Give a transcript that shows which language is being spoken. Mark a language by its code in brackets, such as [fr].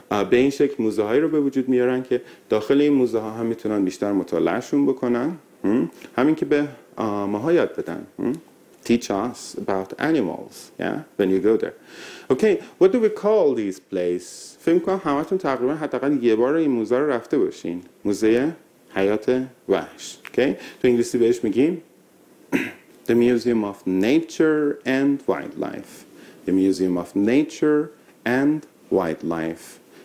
[fa] به این شکل موزه‌هایی رو به وجود میارن که داخل این موزه‌ها هم میتونن بیشتر مطالعه‌شون بکنن، همین که به ماها یاد بدن. [en] Teach us about animals, yeah, when you go there. Okay, what do we call these places? [fa] فکر می‌کنم همه‌تون تقریباً حداقل یه بار این موزه رو رفته باشین. موزه حیات وحش. [en] Okay? [fa] تو انگلیسی بهش میگیم [en] The Museum of Nature and Wildlife. The Museum of Nature and Wildlife.